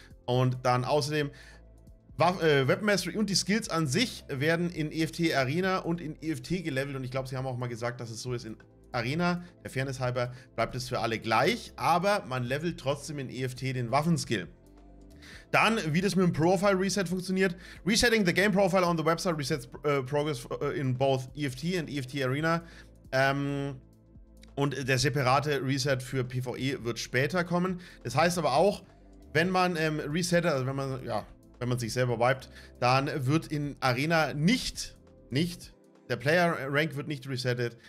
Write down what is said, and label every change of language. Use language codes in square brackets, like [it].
[de] Und dann außerdem Webmastery und die Skills an sich werden in EFT Arena und in EFT gelevelt und ich glaube, sie haben auch mal gesagt, dass es so ist in Arena, der Fairness halber, bleibt es für alle gleich, aber man levelt trotzdem in EFT den Waffenskill. Dann, wie das mit dem Profile Reset funktioniert. [en] Resetting the Game Profile on the website resets progress in both EFT and EFT Arena. [de] Und der separate Reset für PvE wird später kommen. Das heißt aber auch, wenn man resettet, also wenn man sich selber wiped, dann wird in Arena nicht der Player Rank wird nicht resettet.